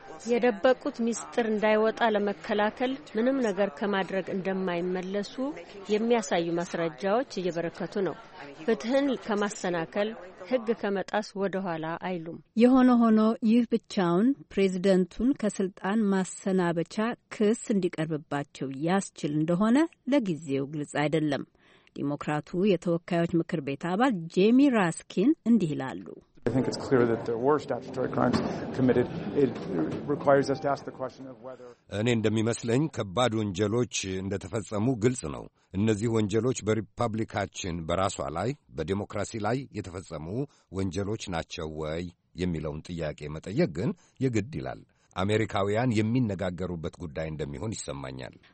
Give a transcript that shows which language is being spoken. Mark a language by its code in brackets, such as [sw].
[am] የደበቁት ሚስጥር እንዳይወጣ ለመከላከል ምንም ነገር ከማድረግ እንደማይመለሱ የሚያሳዩ ማስረጃዎች እየበረከቱ ነው። ፍትህን ከመሰናከል ህግ ከመጣስ ወደ ኋላ አይሉም። የሆነ ሆኖ ይህ ብቻውን ፕሬዝዳንቱን ከስልጣን ማሰናበቻ ክስ እንዲቀርብባቸው ያስችል እንደሆነ ለጊዜው ግልጽ አይደለም። ዲሞክራቱ የተወካዮች ምክር ቤት አባል ጄሚ ራስኪን እንዲህ ይላሉ። [en] I think it's clear that there were statutory crimes committed. It requires us to ask the question of whether [am] እኔ እንደሚመስለኝ ከባድ ወንጀሎች እንደተፈጸሙ ግልጽ ነው። እነዚህ ወንጀሎች በሪፐብሊካችን በራሷ ላይ በዲሞክራሲ ላይ የተፈጸሙ ወንጀሎች ናቸው ወይ የሚለውን ጥያቄ መጠየቅ ግን የግድ ይላል። አሜሪካውያን የሚነጋገሩበት ጉዳይ እንደሚሆን ይስማኛል።